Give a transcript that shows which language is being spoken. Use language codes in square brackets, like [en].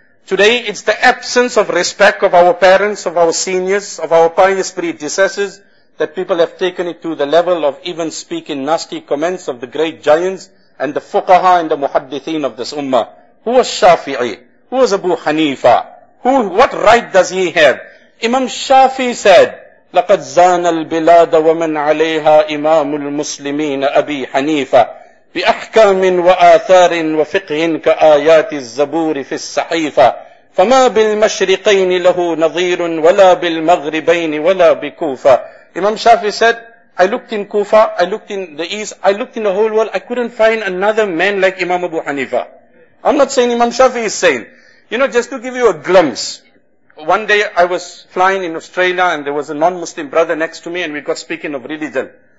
[en] Today, it's the absence of respect of our parents, of our seniors, of our pious predecessors, that people have taken it to the level of even speaking nasty comments of the great giants and the fuqaha and the muhaddithin of this ummah. Who was Shafi'i? Who was Abu Hanifa? What right does he have? Imam Shafi said, [ar] لَقَدْ زَانَ الْبِلَادَ وَمَنْ عَلَيْهَا إِمَامُ الْمُسْلِمِينَ أَبِي حَنِيفَةَ بأحكام وآثار وفقه كآيات الزبور في الصحيفة فما بالمشرقين له نظير ولا بالمغربين ولا بكوفة. [en] Imam Shafi said, I looked in Kufa, I looked in the east, I looked in the whole world, I couldn't find another man like Imam Abu Hanifa. I'm not saying Imam Shafi is saying. You know, just to give you a glimpse, one day I was flying in Australia and there was a non-Muslim brother next to me and we got speaking of religion.